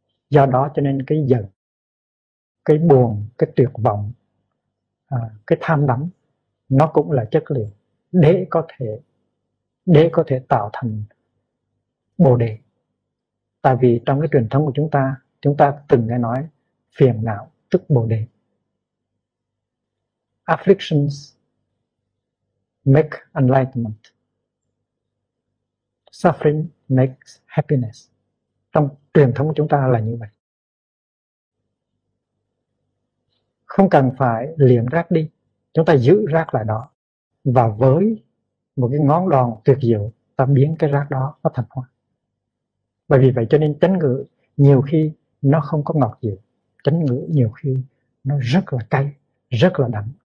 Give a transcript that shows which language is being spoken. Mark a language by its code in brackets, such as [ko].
[vi] Do đó cho nên cái giận, cái buồn, cái tuyệt vọng, cái tham đắm nó cũng là chất liệu để có thể tạo thành bồ đề. Tại vì trong cái truyền thống của chúng ta từng nghe nói phiền não tức bồ đề. [en] Afflictions make enlightenment. Suffering makes happiness. [vi] Trong truyền thống chúng ta là như vậy. Không cần phải liệm rác đi, chúng ta giữ rác lại đó, và với một cái ngón đòn tuyệt diệu ta biến cái rác đó nó thành hoa. Bởi vì vậy cho nên chánh ngữ nhiều khi nó không có ngọt dịu, chánh ngữ nhiều khi nó rất là cay, rất là đắng.